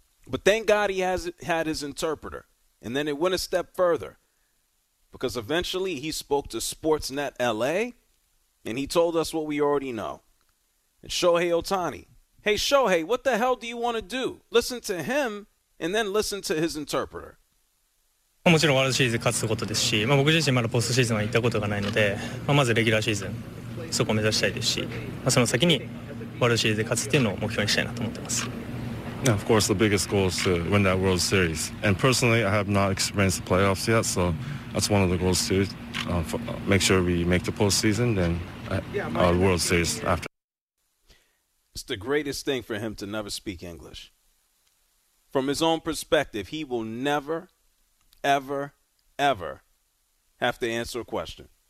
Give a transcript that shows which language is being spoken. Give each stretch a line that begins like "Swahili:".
English: But thank God he has had his interpreter. And then it went a step further because eventually he spoke to Sportsnet LA, and he told us what we already know. And Shohei Ohtani. Hey, Shohei, what the hell do you want to do? Listen to him and then listen to his interpreter.
Japanese: もちろんワールドシリーズ勝つことですし、まあ、僕自身まだポストシーズンは行ったことがないので、まあ、まずレギュラーシーズンそこを目指したいですし、まあ、その先にワールドシリーズで勝つっていうのを目標にしたいなと思ってます。
English: Now, of course, the biggest goal is to win that World Series. And personally, I have not experienced the playoffs yet, so that's one of the goals too. Make sure we make the postseason, then World Series after. It's the greatest thing for him to never speak English. From his own perspective, he will never, ever, ever have to answer a question.